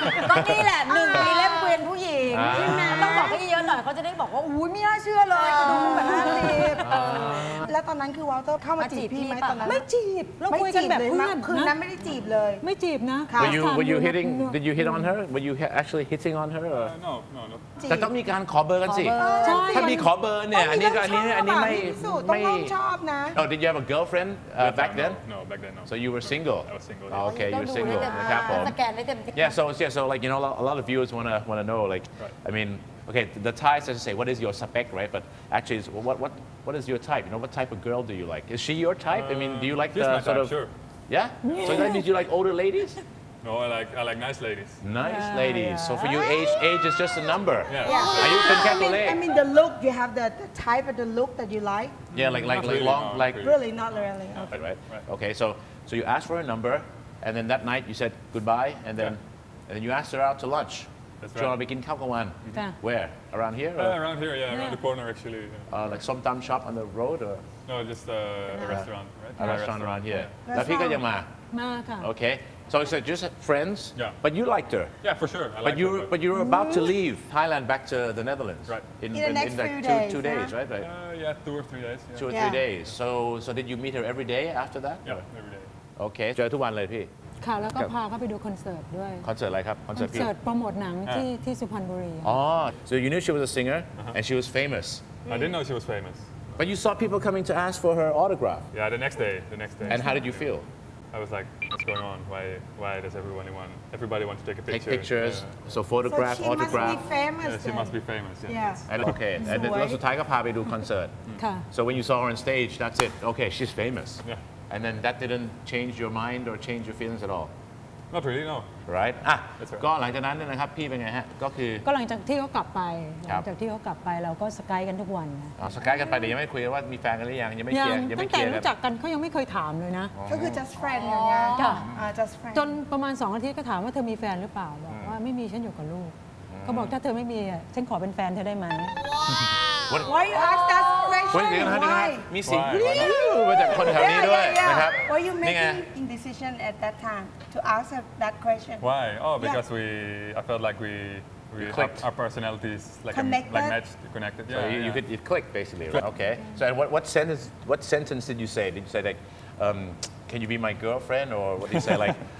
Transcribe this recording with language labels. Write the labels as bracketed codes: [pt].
[th] ตอนนี้แหละหนึ่งมีเล่มเกวียนผู้หญิงต้องบอกให้เยอะหน่อยเขาจะได้บอกว่าอุ้ยไม่น่าเชื่อเลยคุณแบบ50 แล้วตอนนั้นคือวอลเตอร์เข้ามาจีบพี่ไหมตอนนั้น ไม่จีบเราคุยกันแบบเพื่อน คืนนั้นไม่ได้จีบเลย ไม่จีบนะ [en] were you hitting did you hit on her were you actually hitting on her no [th] แต่ต้องมีการขอเบอร์กันสิถ้ามีขอเบอร์เนี่ยอันนี้ไม่ชอบนะ [en] Oh, did you have a girlfriend back then? No, back then no. So you were single. I was single. Yeah. Oh, okay, you were single. Yeah, so like you know, a lot of viewers wanna know. Like, right. I mean, okay, the type, as I say, what is your spec, right? But actually, is what is your type? You know, what type of girl do you like? Is she your type? I mean, do you like she's the sort type, of? Sure. Yeah. So that means you like older ladies. No, I like nice ladies. Nice ladies. Yeah. So for you, age is just a number. Yeah. Are you from Catalonia? I mean the look. You have the type of the look that you like. Yeah, like really long, like really not really. Okay. Right. Okay. So you asked for a number, and then that night you said goodbye, and then and then you asked her out to lunch. That's do you want to begin Kalkawan? Where? Around here? Around here, yeah. Around the corner, actually. Yeah. Like some dumb shop on the road, or no, just a restaurant, right? A restaurant around here. Yeah. Yeah. Lafika Yama. Maka. Okay. So you said just friends, yeah. But you liked her. Yeah, for sure. But you were about to leave Thailand back to the Netherlands. Right. In the next two days, right? Yeah, 2 or 3 days. Yeah. Two or three days. So did you meet her every day after that? Yeah, every day. Okay. Every day, pee. [th] ค่ะแล้วก็พาเขาไปดูคอนเสิร์ตด้วย คอนเสิร์ตอะไรครับ คอนเสิร์ตพี่คอนเสิร์ตโปรโมทหนังที่สุพรรณบุรี [en] อ๋อ so you knew she was a singer and she was famous. I didn't know she was famous. But you saw people coming to ask for her autograph. Yeah, the next day. And how did you feel? I was like, what's going on? Why does everybody want to take a picture? Take pictures. Yeah. So photograph, so autograph. She must be famous. Yeah. And okay. And then also Tiger Pabi do concert. So when you saw her on stage, that's it. Okay, she's famous. Yeah. And then that didn't change your mind or change your feelings at all. Not really, no. Right. [th] ก็หลังจากนั้นนะครับพี่เป็นไงฮะก็คือ ก็หลังจากที่เขากลับไปเราก็สกายกันทุกวันนะ สกายกันไปแต่ยังไม่คุยว่ามีแฟนกันหรือยังยังไม่เคลียร์ ตั้งแต่รู้จักกันเขายังไม่เคยถามเลยนะ ก็คือ [en] just friend [th] อย่างเงี้ ย ค่ะ [en] just friend [th] จนประมาณ2 อาทิตย์ก็ถามว่าเธอมีแฟนหรือเปล่าบอกว่าไม่มีฉันอยู่กับลูกเขาบอกถ้าเธอไม่มีฉันขอเป็นแฟนเธอได้ไหม [en] Why you ask that question? Why? [th] มีสิ่งมาจากคนแถวนี้ด้วยนะครับ [en] Why you making indecision at that time to ask that question? Why? Oh, because I felt like we clicked. Our personalities connected. Yeah, so you could it clicked basically. Right? Okay. So what sentence did you say? Did you say like, can you be my girlfriend or what did you say like?